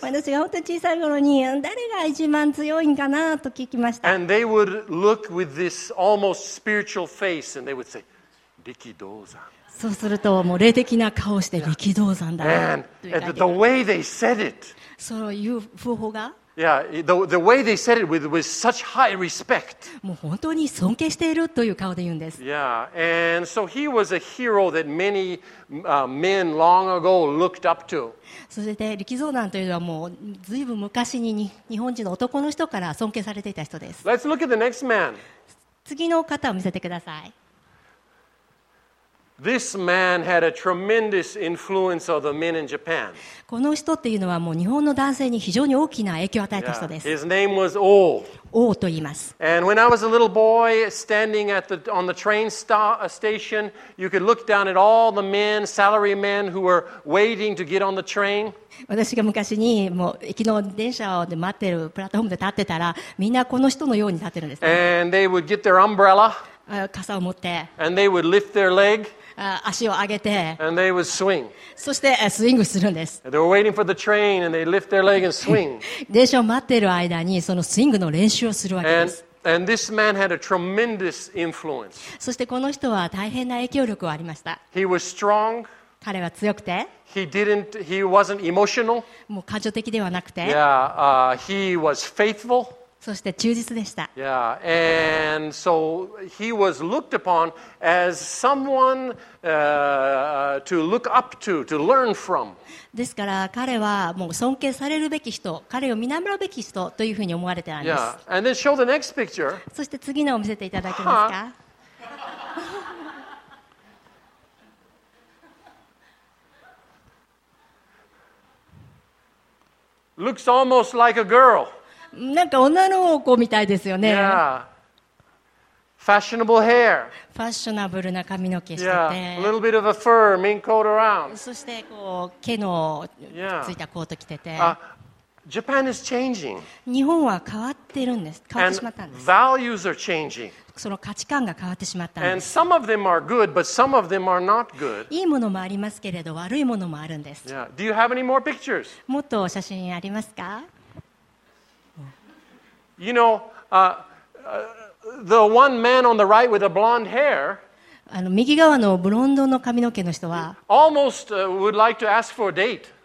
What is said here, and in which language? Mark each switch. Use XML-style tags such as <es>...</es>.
<ja>私が本当に小さい頃に誰が一番強いんかなと聞きました。</ja> <en>And they would look with this almost spiritual face and they would say, 力道山。</en> <ja>そうするともう霊的な顔をして力道山だ。</ja> <en>And the way they said it,</en> <ja>そういう方法が、</ja> <en>Yeah, the way they said it with such high respect.</en> <ja>もう本当に尊敬しているという顔で言うんです。</ja> <en>Yeah, and so he was a hero that many men long ago looked up to.</en> <ja>そして力道山というのはもうずいぶん昔 に日本人の男の人から尊敬されていた人です。</ja> <en>Let's look at the next man.</en> <ja>次の方を見せてください。</ja> <en>This man had a tremendous influence of the men in Japan.</en> <ja>この人っていうのはもう日本の男性に非常に大きな影響を与えた人です。</ja> <en>His name was Oh.</en> <ja>Oh と言います。</ja> <en>And when I was a little boy standing on the train station, you could look down at all the men, salary men who were waiting to get on the train.</en> <ja>私が昔にもう駅の電車を待ってるプラットフォームで立ってたら、みんなこの人のように立ってるんです。</ja> <en>And they would get their umbrella.</en> <ja>傘を持って、</ja> <en>and they would lift their leg,</en> <ja>足を上げて、</ja> <en>and they would swing.</en> <ja>そしてスイングするんです。</ja> <en>They were waiting for the train, and they lift their leg and swing.</en> <ja>電車を待っている間にそのスイングの練習をするわけです。</ja> <en>And this man had a tremendous influence.</en> <ja>そしてこの人は大変な影響力がありました。</ja> <en>He was strong.</en> <ja>彼は強くて、</ja> <en>he wasn't emotional.</en> <ja>もう感情的ではなくて、</ja> <en>yeah, he was faithful.</en> <ja>そして忠実でした。</ja> <en>Yeah, and so he was looked upon as someone, to look up to learn from.</en> <ja>ですから彼はもう尊敬されるべき人、彼を見習うべき人というふうに思われてあります。</ja> <en>Yeah, and then show the next picture.</en> <ja>そして次のを見せていただけますか。</ja> <en>Looks almost like a girl.</en> <ja>なんか女の子みたいですよね。</ja> <en>Yeah. Fashionable hair.</en> <ja>Fashionableな髪の毛してて。</ja> <en>Yeah, a little bit of a fur, mink coat around.</en> <ja>そしてこう毛のついたコート着てて。</ja> <en>Japan is changing.</en> <ja>日本は変わってるんです。変わってしまったんです。</ja> <en>And values are changing.</en> <ja>その価値観が変わってしまったんです。</ja> <en>And some of them are good, but some of them are not good.</en> <ja>いいものもありますけれど、悪いものもあるんです。</ja> <en>Yeah. Do you have any more pictures?</en> <ja>もっと写真ありますか？</ja> <en>You know, the one man on the right with the blonde hair.</en> <ja>あの右側のブロンドの髪の毛の人は、</ja> <en>almost would like to ask for a date.</en>